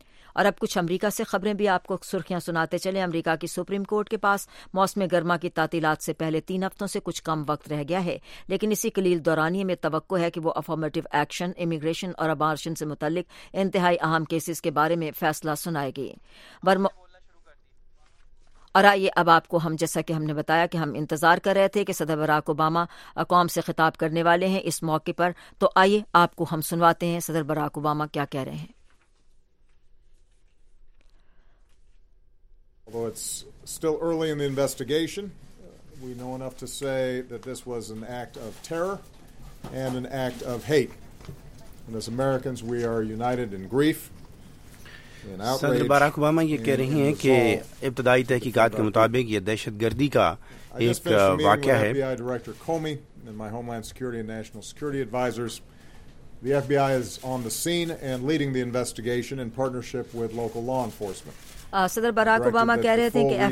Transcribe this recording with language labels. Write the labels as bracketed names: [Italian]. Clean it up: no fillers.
[Urdu] اور اب کچھ امریکہ سے خبریں بھی آپ کو سرخیاں سناتے چلیں. امریکہ کی سپریم کورٹ کے پاس موسم گرما کی تعطیلات سے پہلے 3 ہفتوں سے کچھ کم وقت رہ گیا ہے, لیکن اسی قلیل دورانیے میں توقع ہے کہ وہ افرمیٹو ایکشن, امیگریشن اور ابارشن سے متعلق انتہائی اہم کیسز کے بارے میں فیصلہ سنائے گی. اور آئیے اب آپ کو ہم, جیسا کہ ہم نے بتایا کہ ہم انتظار کر رہے تھے کہ صدر براک اوباما قوم سے خطاب کرنے والے ہیں اس موقع پر, تو آئیے آپ کو ہم سنواتے ہیں صدر براک اوباما کیا کہہ رہے ہیں. [English] Although it's still early in the investigation, we know enough to say that this was an act of terror and an act of hate. And as Americans, we are united in grief. [Urdu] صدر Barack Obama یہ کہہ رہی ہیں کہ ابتدائی تحقیقات کے مطابق یہ دہشت گردی کا ایک واقعہ ہے. صدر باراک اوباما کہہ رہے تھے کہ